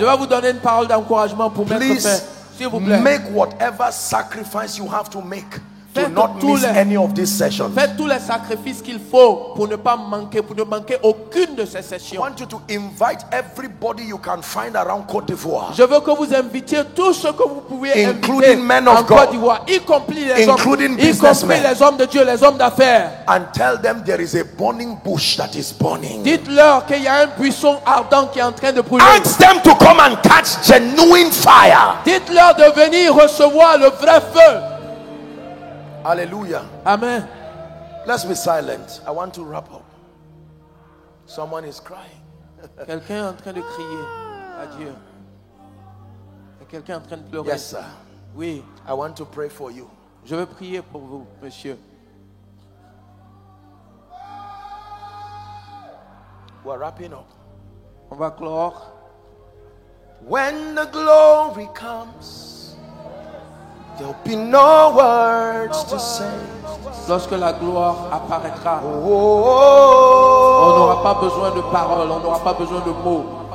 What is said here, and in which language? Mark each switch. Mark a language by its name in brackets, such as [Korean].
[French] Je vais vous donner une parole d'encouragement pour mettre fin. S'il vous plaît. [English] Make whatever sacrifice you have to make. Do not miss any of these sessions. [French] Faites tous les sacrifices qu'il faut pour ne pas manquer, pour ne manquer aucune de ces sessions. [English] I want you to invite everybody you can find around Côte d'Ivoire. [French] Je veux que vous invitiez tous ceux que vous pouvez [English] including [French] inviter [English] men of [French] en [English] God, [French] Côte d'Ivoire, y compris les [English] including [French] hommes, [English] businessmen, [French] y compris les hommes de Dieu, les hommes d'affaires. [English] And tell them there is a burning bush that is burning. [French] Dites-leur qu'il y a un buisson ardent qui est en train de brûler. [English] Ask them to come and catch genuine fire. [French] Dites-leur de venir recevoir le vrai feu. Hallelujah. Amen. [English] Let's be silent. I want to wrap up. Someone is crying. [French] Quelqu'un est en train de crier à Dieu. Quelqu'un est en train de pleurer. [English] Yes, sir. [French] Oui. [English] I want to pray for you. [French] Je veux prier pour vous, monsieur. [English] We're wrapping up. [French] On va clore. [English] When the glory comes, there'll be no words to say. [French] Lorsque la gloire apparaîtra, oh, oh, oh, on n'aura pas besoin de paroles, on n'aura pas besoin de mots.